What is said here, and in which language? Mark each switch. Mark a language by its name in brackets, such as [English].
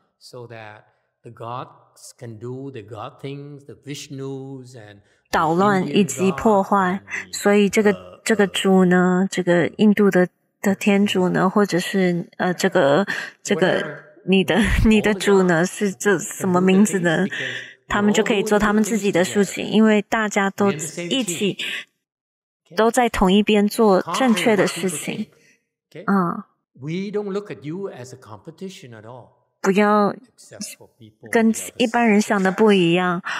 [English] so that the gods can do the god things, the Vishnus and [Chinese] 捣乱以及破坏所以这个主呢这个印度的天主呢或者是这个你的主呢是这什么名字呢他们就可以做他们自己的事情因为大家都一起都在同一边做正确的事情 [English] We don't look at you as a competition at all. [Chinese] 不要跟一般人想的不一样。